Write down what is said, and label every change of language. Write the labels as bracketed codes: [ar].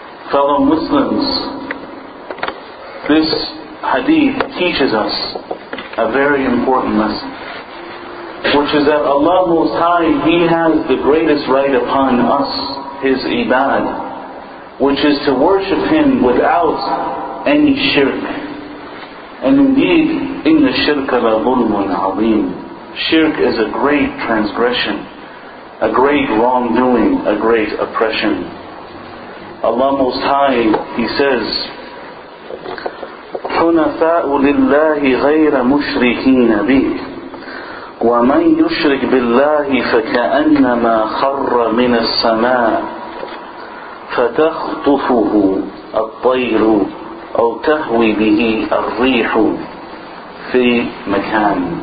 [en] Fellow Muslims, this hadith teaches us a very important lesson, which is that Allah Most High, He has the greatest right upon us, His ibad, which is to worship Him without any shirk. And indeed, [ar] إِنَّ الشِّرْكَ لَظُلْمٌ عَظِيمٌ. [en] Shirk is a great transgression, a great wrongdoing, a great oppression. Allah Most High, He says, [ar] حُنَفَاءُ لِلَّهِ غَيْرَ مُشْرِكِينَ بِهِ وَمَنْ يُشْرِكْ بِاللَّهِ فَكَأَنَّمَا خَرَّ مِنَ السَّمَاءِ فَتَخْطُفُهُ الطَّيْرُ أَوْ تَهْوِي بِهِ الرِّيحُ فِي مَكَانٍ.